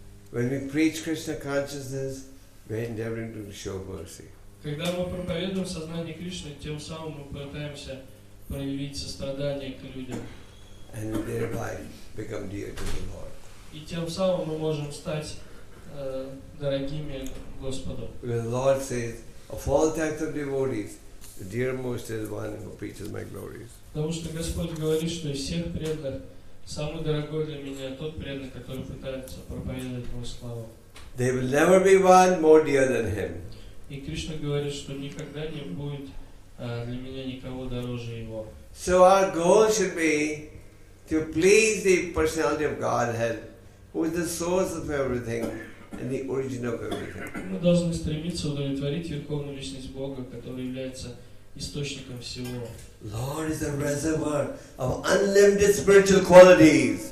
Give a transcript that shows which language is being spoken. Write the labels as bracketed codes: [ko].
[en] When we preach Krishna consciousness, we are endeavoring to show mercy. [ru] Когда мы проповедуем сознание Кришны, тем самым мы пытаемся проявить сострадание к людям. [en] And thereby become dear to the Lord. [ru] И тем самым мы можем стать дорогими Господу. [en] The Lord says, of all types of devotees, the dearmost is one who preaches my glories. [ru] Потому что Господь говорит, что из всех преданных самый дорогой для меня тот преданный, который пытается проповедовать мою славу. [en] There will never be one more dear than him. [ru] И Кришна говорит, что никогда не будет для меня никого дороже его. [en] So our goal should be to please the personality of Godhead, who is the source of everything and the origin of everything. [ru] Мы должны стремиться удовлетворить верховную личность Бога, который является источником всего. [en] Lord is the reservoir of unlimited spiritual qualities.